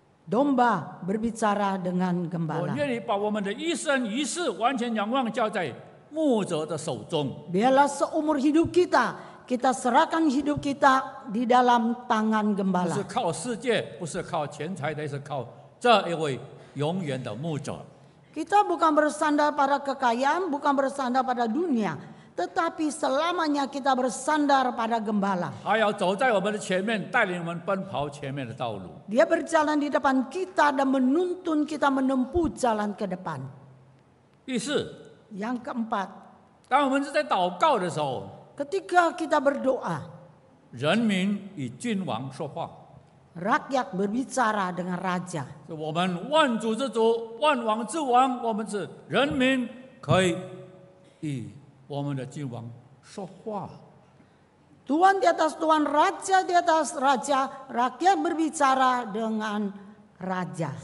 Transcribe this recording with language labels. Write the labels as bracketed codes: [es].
[id] domba berbicara dengan gembala. [zh] 我愿意把我们的一生一世完全仰望交在牧者的手中。 [id] Biarlah seumur hidup kita, kita serahkan hidup kita di dalam tangan gembala. [zh] 不是靠世界, 不是靠钱财, 但是靠 这一位永远的牧者。 [id] Kita bukan bersandar pada kekayaan, bukan bersandar pada dunia, tetapi selamanya kita bersandar pada gembala. [zh] 他要走在我们的前面，带领我们奔跑前面的道路。 [id] Dia berjalan di depan kita dan menuntun kita menempuh jalan ke depan. [zh] 第四, [id] yang keempat, [zh] 当我们是在祷告的时候, [id] ketika kita berdoa, [zh] 人民与君王说话。 [id] Rakyat berbicara dengan raja. Tuhan di atas Tuhan, raja di atas raja, rakyat berbicara dengan raja.